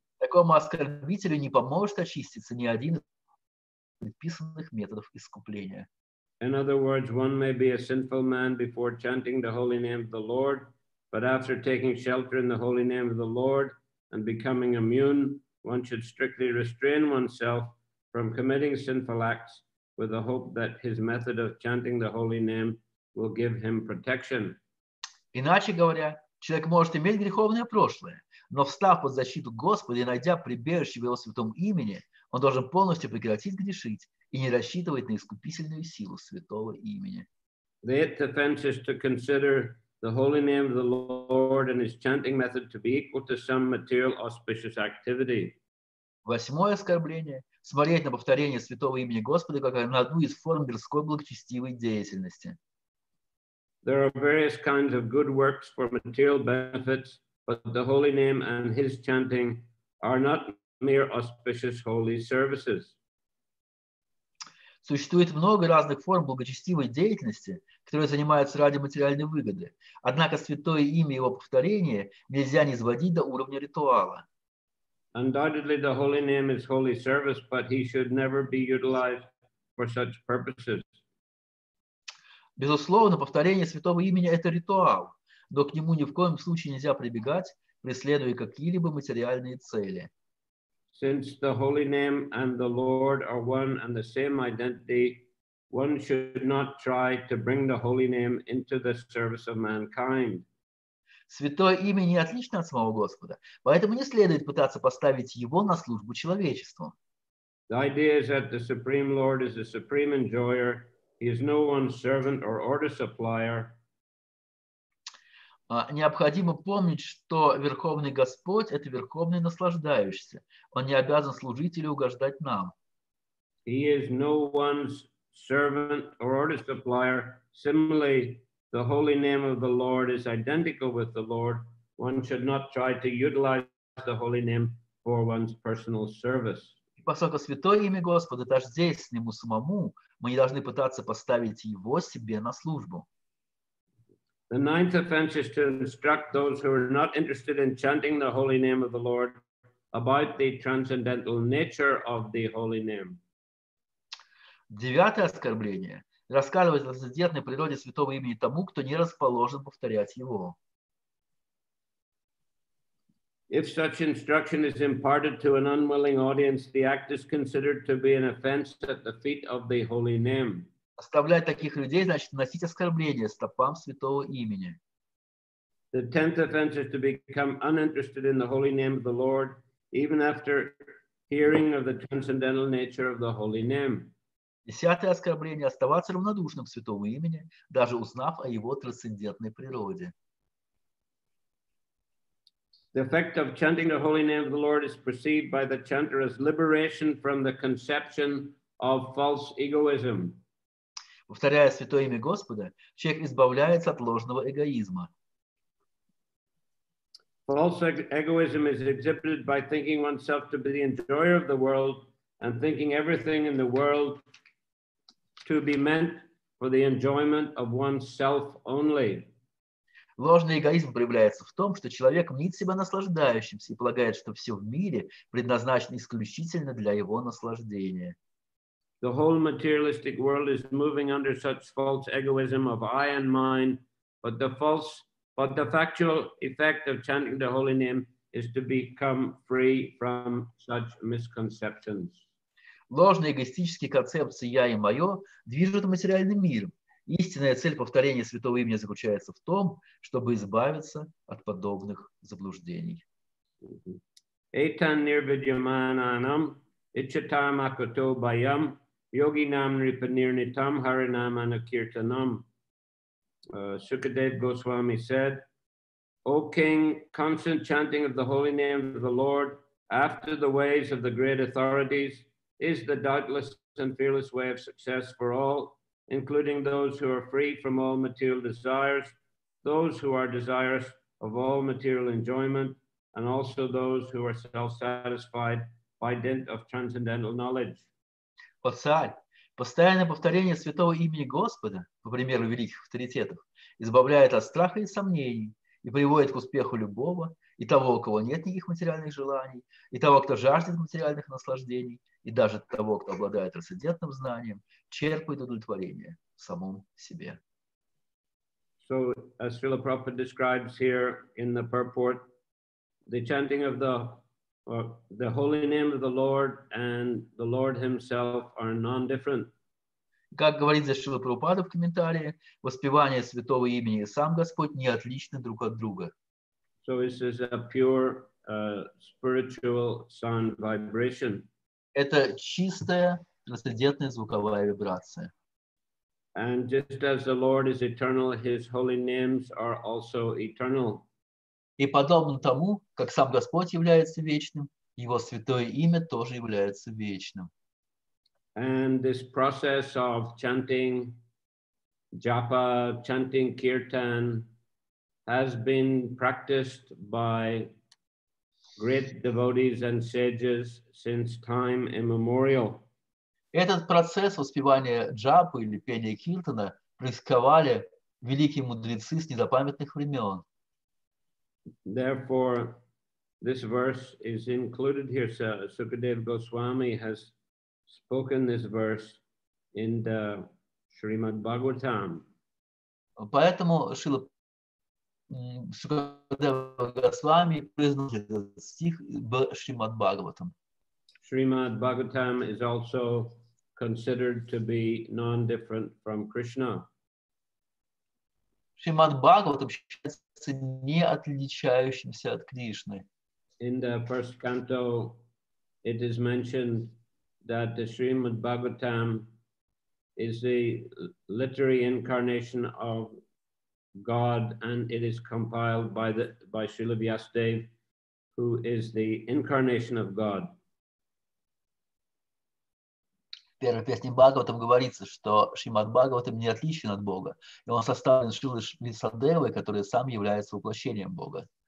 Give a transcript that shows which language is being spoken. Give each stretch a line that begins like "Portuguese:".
Russian: Такому оскорбителю не поможет очиститься ни один из предписанных методов искупления.
English: In other words, one may be a sinful man before chanting the holy name of the Lord, but after taking shelter in the holy name of the Lord and becoming immune, one should strictly restrain oneself from committing sinful acts with the hope that his method of chanting the holy name will give him protection.
Russian: Иначе говоря, человек может иметь греховное прошлое, но встав под защиту Господа и найдя прибежище в его святом имени, он должен полностью прекратить грешить и не рассчитывать на искупительную силу святого имени.
English: The eighth offense is to consider the holy name of the Lord and his chanting method to be equal to some material auspicious activity.
Russian: Восьмое оскорбление – смотреть на повторение святого имени Господа как на одну из форм мирской благочестивой деятельности.
English: There are various kinds of good works for material benefits, but the holy name and his chanting are not mere auspicious holy services.
Russian: Существует много разных форм благочестивой деятельности, которые занимаются ради материальной выгоды. Однако святое имя и его повторение нельзя низводить до уровня ритуала.
English: Undoubtedly, the holy name is holy service, but he should never be utilized for such purposes.
Russian: Безусловно, повторение святого имени – это ритуал, но к нему ни в коем случае нельзя прибегать, преследуя какие-либо материальные цели.
English: Since the holy name and the Lord are one and the same identity, one should not try to bring the holy name into the service of mankind.
Russian: Святое имя не отлично от самого Господа, поэтому не следует пытаться поставить его на службу человечеству.
English: The idea is that the Supreme Lord is the supreme enjoyer. He is no one's servant or order supplier.
Russian: Необходимо помнить, что Верховный Господь – это Верховный Наслаждающийся. Он не обязан служить или угождать нам.
English: He is no one's servant or order supplier. Similarly, the holy name of the Lord is identical with the Lord. One should not try to utilize the holy name for one's personal service.
Russian: И поскольку святое имя Господа тождественно ему самому, мы не должны пытаться поставить его себе на службу.
English: The ninth offense is to instruct those who are not interested in chanting the holy name of the Lord about the transcendental nature of the holy name.
Russian: Девятое оскорбление – рассказывать о трансцендентной природе святого имени тому, кто не расположен повторять его.
English: If such instruction is imparted to an unwilling audience, the act is considered to be an offense at the feet of the holy name.
Russian: Оставлять таких людей, значит, носить оскорбление стопам святого имени.
English: The tenth offense is to become uninterested in the holy name of the Lord, even after hearing of the transcendental nature of the holy name.
Russian: Десятое оскорбление – оставаться равнодушным к святому имени, даже узнав о его трансцендентной природе.
English: The effect of chanting the holy name of the Lord is perceived by the chanter as liberation from the conception of false egoism.
Russian: Повторяя святое имя Господа, человек избавляется от ложного эгоизма.
English: False egoism is exhibited by thinking oneself to be the enjoyer of the world and thinking everything in the world to be meant for the enjoyment of oneself only.
Russian: Ложный эгоизм проявляется в том, что человек мнит себя наслаждающимся и полагает, что все в мире предназначено исключительно для его наслаждения.
English: The whole materialistic world is moving under such false egoism of I and mine, but the factual effect of chanting the holy name is to become free from such misconceptions.
Russian: Ложные эгоистические концепции «я» и «моё» движут материальным миром. Истинная цель повторения святого имени заключается в том, чтобы избавиться от подобных заблуждений.
Sanskrit: Этан нирвидьяманам ичитам акуто байам Yogi nam ripanir nitam harinam anakirtanam.
English: Sukadev Goswami said, O King, constant chanting of the holy name of the Lord after the ways of the great authorities is the doubtless and fearless way of success for all, including those who are free from all material desires, those who are desirous of all material enjoyment, and also those who are self-satisfied by dint of transcendental knowledge.
Russian: О царь, постоянное повторение святого имени Господа, по примеру великих авторитетов, избавляет от страха и сомнений и приводит к успеху любого, и того, у кого нет никаких материальных желаний, и того, кто жаждет материальных наслаждений, и даже того, кто обладает трансцендентным знанием, черпает удовлетворение в самом себе.
English: So, as Srila Prabhupada describes here in the purport, the chanting of the holy name of the Lord and the Lord himself are non-different.
Russian: Как говорится Шрила Прабхупада в комментарии, воспевание святого имени и сам Господь не отличны друг от друга.
English: So this is a pure spiritual sound vibration.
Russian: Это чистая трансцендентная звуковая вибрация.
English: And just as the Lord is eternal, his holy names are also eternal.
Russian: И подобно тому, как сам Господь является вечным, его святое имя тоже является вечным.
English: And this process of chanting japa, chanting kirtan, has been practiced by great devotees and sages since time immemorial.
Russian: Этот процесс воспевания джапы или пения киртана практиковали великие мудрецы с незапамятных времен.
English: Therefore, this verse is included here. So, Sukadeva Goswami has spoken this verse in the Srimad Bhagavatam.
Russian: Поэтому Шрила Сукадева Госвами произнес этот стих в Шримад Бхагаватам.
English: Шримад Бхагаватам is also considered to be non-different from Krishna.
Russian: Шримад Бхагаватам считается не отличающимся от Кришны.
English: In the first canto, it is mentioned that the Srimad Bhagavatam is the literary incarnation of God, and it is compiled by Srila Vyasadeva, who is the incarnation of God.
Russian: Первая песня Бхагаватам говорится, что Шримад Бхагаватам не отличен от Бога, и он составлен Шрилой Вьясадевой, который сам является воплощением Бога.